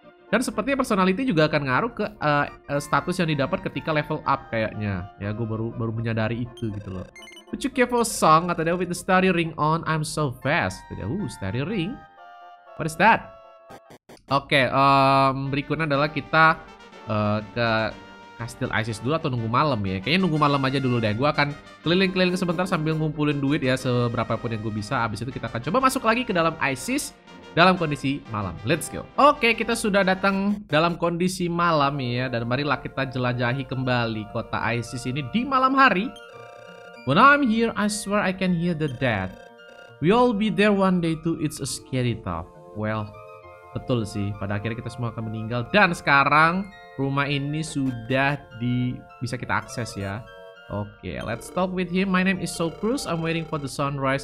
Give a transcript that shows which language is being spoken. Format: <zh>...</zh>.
<id>Dan sepertinya personality juga akan ngaruh ke status yang didapat ketika level up kayaknya. Ya, gue baru menyadari itu gitu loh.</id> <en>Would you care for a song?</en> <id>Kata dia,</id> <en>with the starry ring on, I'm so fast.</en> <id>Kata dia,</id> <en>starry ring? What is that?</en> <id>Okay, berikutnya adalah kita ke Castle Isis dulu atau nunggu malam ya. Kayaknya nunggu malam aja dulu deh. Gue akan keliling-keliling sebentar sambil ngumpulin duit ya seberapa pun yang gue bisa. Abis itu kita akan coba masuk lagi ke dalam Isis. Dalam kondisi malam,</id> <en>let's go.</en> <id>Oke, kita sudah datang dalam kondisi malam ya. Dan marilah kita jelajahi kembali kota Isis ini di malam hari.</id> <en>When I'm here, I swear I can hear the dead. We all be there one day too, it's a scary thought.</en> <id>Well, betul sih, pada akhirnya kita semua akan meninggal. Dan sekarang rumah ini sudah bisa kita akses ya. Oke,</id> <en>let's talk with him. My name is Socrates, I'm waiting for the sunrise.</en>